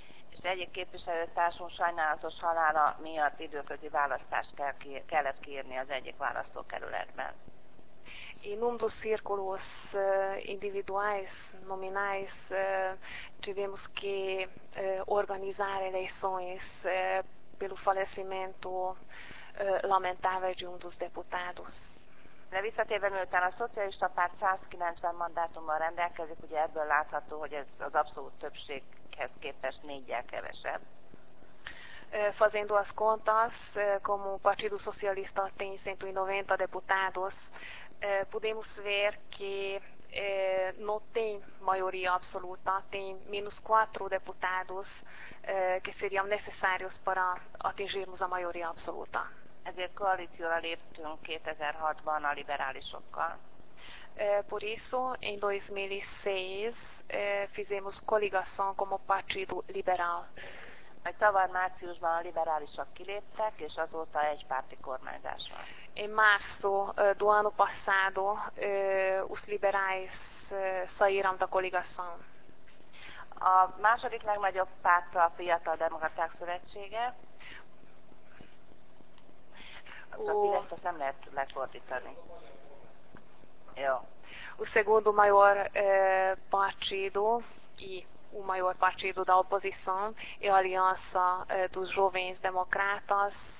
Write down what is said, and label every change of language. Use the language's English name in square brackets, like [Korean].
[Hungarian] És egyik képviselőtársunk sajnálatos halála miatt időközi választást kellett kiírni az egyik választókerületben. [Portuguese] E num dos círculos individuais, nominais, tivemos que organizar eleições pelo falecimento lamentável de um dos deputados. [Hungarian] De visszatérve, miután a Szocialista Párt 190 mandátummal rendelkezik, ugye ebből látható, hogy ez az abszolút többséghez képest négyel kevesebb. [Portuguese] Fazendo as contas, como o Partido Socialista tem 190 deputados, podemos ver que não tem maioria absoluta, tem menos 4 deputados que seriam necessários para atingirmos a maioria absoluta. [Hungarian] Ezért koalícióra léptünk 2006-ban a liberálisokkal. [Portuguese] Por isso, em 2006 fizemos coligação como Partido Liberal. [Hungarian] Majd tavaly márciusban a liberálisok kiléptek, és azóta egy párti kormányzás van. [Portuguese] Em março do ano passado, os liberais saíram da coligação. [Hungarian] A második legnagyobb párt a Fiatal Demokraták Szövetsége. Azt nem lehet lefordítani. Jó. [Portuguese] O segundo maior partido e o maior partido da oposição é a Aliança dos Jovens Democratas.